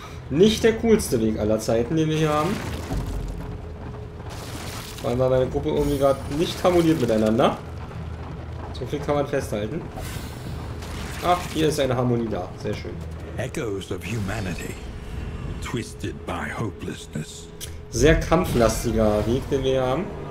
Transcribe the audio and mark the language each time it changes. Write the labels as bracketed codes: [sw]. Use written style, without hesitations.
[de] Nicht der coolste Weg aller Zeiten, den wir hier haben. Weil wir meine Gruppe irgendwie gerade nicht harmoniert miteinander. So viel kann man festhalten. Ach, hier ist eine Harmonie da. Sehr schön. [en] Echoes of humanity, twisted by hopelessness. [de] Sehr kampflastiger Weg, den wir hier haben.